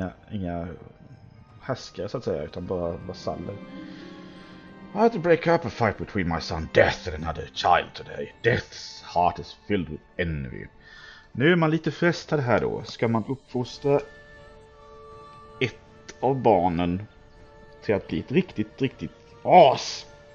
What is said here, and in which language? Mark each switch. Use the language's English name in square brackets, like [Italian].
[Swedish] Inga häskare så att säga, utan bara vasaller. [English] I had to break up a fight between my son Death and another child today. Death's heart is filled with envy. [Swedish] Nu är man lite frestad här då. Ska man uppfostra ett av barnen till att bli ett riktigt, riktigt as?